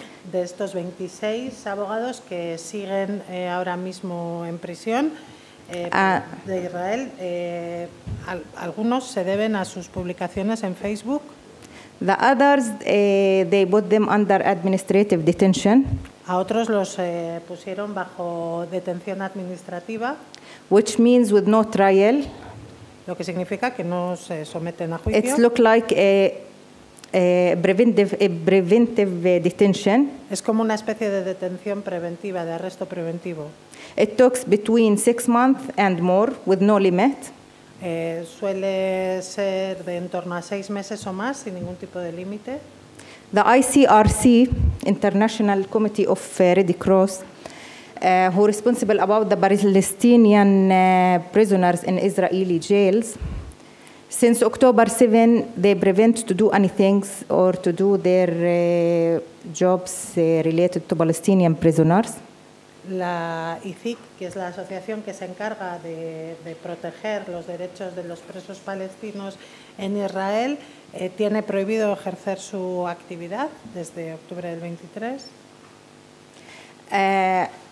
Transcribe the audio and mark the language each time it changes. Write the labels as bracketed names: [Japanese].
[Spanish] De estos 26 abogados que siguen ahora mismo en prisión de Israel, algunos se deben a sus publicaciones en Facebook. [English] The others, they put them under administrative detention. [Spanish] A otros los pusieron bajo detención administrativa. [English] Which means with no trial. [Spanish] Lo que significa que no se someten a juicio. [English] It's look like preventive detention. [Spanish] Es como una especie de detención preventiva, de arresto preventivo. [English] It takes between 6 months and more with no limit. [Spanish] Suele ser de en torno a 6 meses o más sin ningún tipo de límite. [English] The ICRC, International Committee of Red Cross, who are responsible about the Palestinian prisoners in Israeli jails. Since October 7, they prevent to do anything or to do their jobs related to Palestinian prisoners. [Spanish] La ICIC, que es la asociación que se encarga de proteger los derechos de los presos palestinos en Israel, tiene prohibido ejercer su actividad desde octubre del 23.